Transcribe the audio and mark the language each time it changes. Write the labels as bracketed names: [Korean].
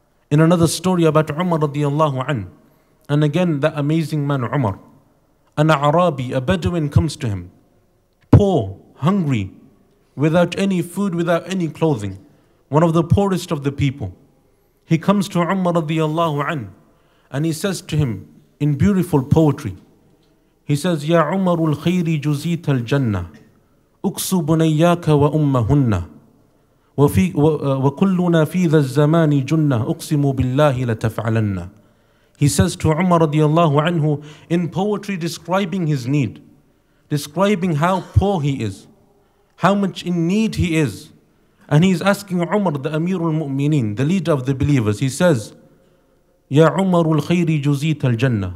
[English] In another story about Umar radiallahu anhu, and again that amazing man Umar, an Arabi, a Bedouin comes to him, poor, hungry, without any food, without any clothing, one of the poorest of the people. He comes to Umar radiallahu anhu, and he says to him in beautiful poetry, he says, [Arabic] Ya Umar al khayri juzit al jannah, uksu bunayyaka wa ummahunna. وفي وكلنا في ذا الزمان جنة أقسم بالله لتفعلن. [English] He says to Umar radiallahu anhu in poetry describing his need, describing how poor he is, how much in need he is. And he's asking Umar, the Amir al-Mu'mineen, the leader of the believers, he says, [Arabic] يا عمر الخير جزيت الجنة.